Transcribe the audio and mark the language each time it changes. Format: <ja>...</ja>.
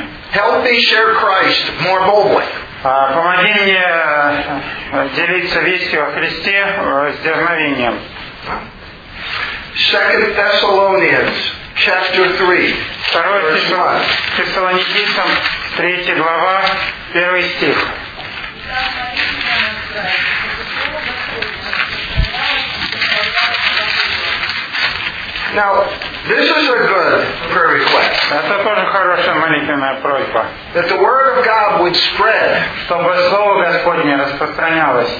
<en>Help me share Christ more boldly.</en> <ru>Помоги мне делиться вестью о Христе с дерзновением.</ru> <en>2 Thessalonians chapter 3.</en> <ru>2 Фессалоникийцам 3 глава 1 стих.</ru> <en>Now, this is a good prayer request.</en> <ru>Это тоже хорошая молитвенная просьба.</ru> <en>That the word of God would spread.</en> <ru>Чтобы слово Господне распространялось.</ru>